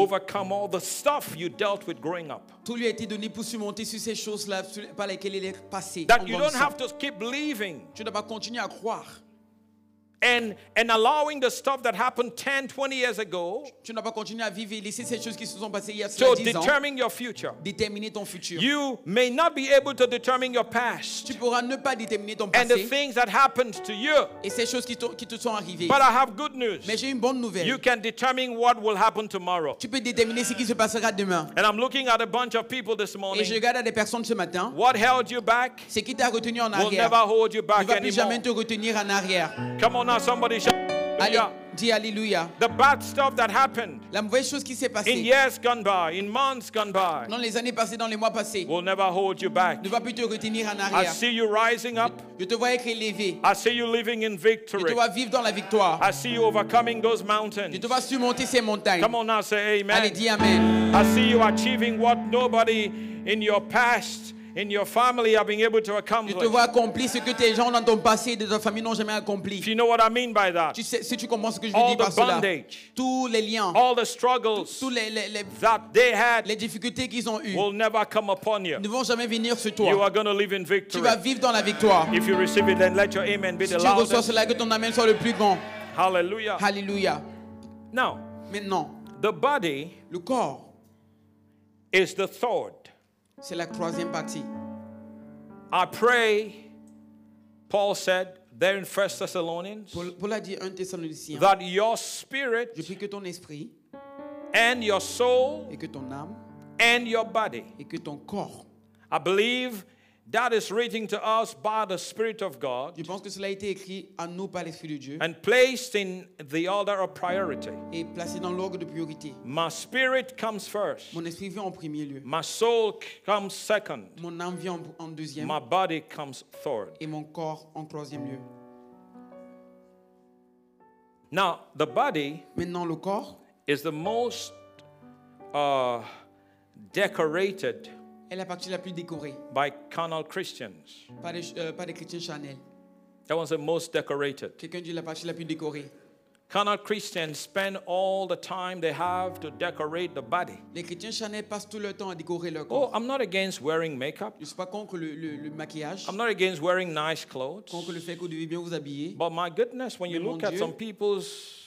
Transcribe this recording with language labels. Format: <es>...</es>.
<en>Overcome all the stuff you dealt with growing up.</en> <fr>Tout lui a été donné pour surmonter sur ces choses-là par lesquelles il est passé.</fr> <en>That you don't have to keep believing.</en> <fr>Tu ne dois pas continuer à croire.</fr> <en>And allowing the stuff that happened 10, 20 years ago</en> <fr>tu n'as pas continué à vivre et laisser ces choses qui se sont passées il y a 10 ans</fr> <en>to determine your future.</en> <fr>Déterminer ton futur.</fr> <en>You may not be able to determine your past.</en> <fr>Tu pourras ne pas déterminer ton passé.</fr> <en>And the things that happened to you.</en> <fr>Et ces choses qui te sont arrivées.</fr> <en>But I have good news.</en> <fr>Mais j'ai une bonne nouvelle.</fr> <en>You can determine what will happen tomorrow.</en> <fr>Tu peux déterminer ce qui se passera demain.</fr> <en>And I'm looking at a bunch of people this morning.</en> <fr>Et je regarde à des personnes ce matin.</fr> <en>What held you back?</en> <fr>Ce qui t'a retenu en arrière.</fr> <en>Will never hold you back</en> <fr>ne va plus</fr> <en>anymore.</en> <fr>Jamais te retenir en arrière.</fr> <en>Come on. Now somebody shout. Hallelujah. The bad stuff that happened</en> <fr>la mauvaise chose qui s'est passée</fr> <en>in years gone by, in months gone by,</en> <fr>dans les années passées, dans les mois passés,</fr> <en>will never hold you back.</en> <fr>Ne va plus te retenir en arrière.</fr> <en>I see you rising up.</en> <fr>Je te vois être élevé.</fr> <en>I see you living in victory.</en> <fr>Je te vois vivre dans la victoire.</fr> <en>I see you overcoming those mountains.</en> <fr>Je te vois surmonter ces montagnes.</fr> <en>Come on now, say amen.</en> <fr>Allez, dis amen.</fr> <en>I see you achieving what nobody in your past, in your family, have been able to accomplish.</en> <fr>Tu te vois accomplir ce que tes gens dans ton passé et de ta famille n'ont jamais accompli.</fr> <en>You know what I mean by that?</en> <fr>Tu sais, si tu comprends ce que je veux dire par cela.</fr> <en>All the bondage,</en> <fr>tous les liens,</fr> <en>all the struggles,</en> <fr>tous les</fr> <en>that they had,</en> <fr>les difficultés qu'ils ont eues,</fr> <en>will never come upon you.</en> <fr>Ne vont jamais venir sur toi.</fr> <en>You are going to live in victory.</en> <fr>Tu vas vivre dans la victoire.</fr> <en>If you receive it, then let your amen be</en> <fr>si</fr> <en>the loudest.</en> <fr>Si tu reçois cela, que ton amen soit le plus grand.</fr> <en>Hallelujah.</en> <fr>Hallelujah.</fr> <en>Now,</en> <fr>maintenant,</fr> <en>the body,</en> <fr>le corps,</fr> <en>is the third.</en> <fr>C'est la troisième partie.</fr> <en>I pray, Paul said, there in 1 Thessalonians,</en> <fr>Paul a dit 1 Thessaloniciens,</fr> <en>that your spirit,</en> <fr>je prie que ton esprit,</fr> <en>and your soul,</en> <fr>et que ton âme,</fr> <en>and your body,</en> <fr>et que ton corps,</fr> <en>I believe that is written to us by the Spirit of God,</en> <fr>je pense que cela a été écrit à nous par l'Esprit de Dieu,</fr> <en>and placed in the order of priority.</en> <fr>Et placé dans l'ordre de priorité.</fr> <en>My spirit comes first.</en> <fr>Mon esprit vient en premier lieu.</fr> <en>My soul comes second.</en> <fr>Mon âme vient en deuxième.</fr> <en>My body comes third.</en> <fr>Et mon corps en troisième lieu.</fr> <en>Now, the body,</en> <fr>maintenant, le corps,</fr> <en>is the most decorated.</en> <fr>Elle est la partie la plus décorée.</fr> <en>By carnal Christians.</en> <fr>Par les chrétiens charnels.</fr> <en>That was the most decorated.</en> <fr>Quelqu'un dit la partie la plus décorée.</fr> <en>Carnal Christians spend all the time they have to decorate the body.</en> <fr>Les chrétiens charnels passent tout leur temps à décorer leur corps.</fr> <en>Oh, I'm not against wearing makeup.</en> <fr>Je ne suis pas contre le maquillage.</fr> <en>I'm not against wearing nice clothes.</en> <fr>Contre le fait que vous devez bien vous habiller.</fr> <en>But my goodness, when you look at some people's,</en>